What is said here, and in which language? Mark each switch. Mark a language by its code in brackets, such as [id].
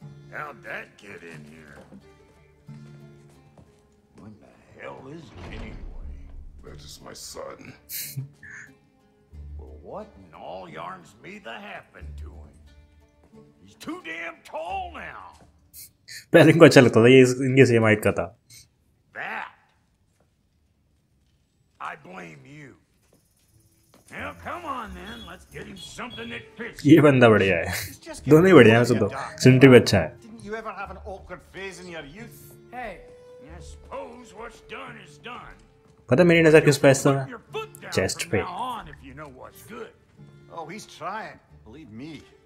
[en] How'd that get in here? When the hell is he anyway? That is my son. Well, what in all yarns me the happened to him? He's too damn tall now. [hi] पहले इनको अच्छा लगता था, ये इनके same height का था. [en] That, I blame you. Now come on then, let's get him something that fits. [hi] ये बंदा बढ़िया है, दोनों ही बढ़िया हैं, सुनो सिंट्री भी अच्छा है. [en] Didn't you ever have an awkward phase in your youth? Hey, I suppose what's done is done. [hi] पता मेरी नजर किस पे है? सर चेस्ट पे. [en] Oh, he's trying, believe me.